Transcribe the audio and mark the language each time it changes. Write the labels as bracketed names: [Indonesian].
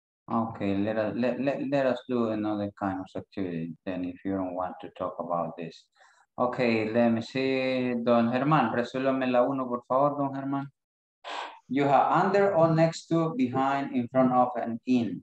[English] Okay, let us do another kind of activity then if you don't want to talk about this. Okay, let me see. [Spanish] Don Germán, resuélvame la uno, por favor, Don Germán. [English] You have under or next to, behind, in front of, and in.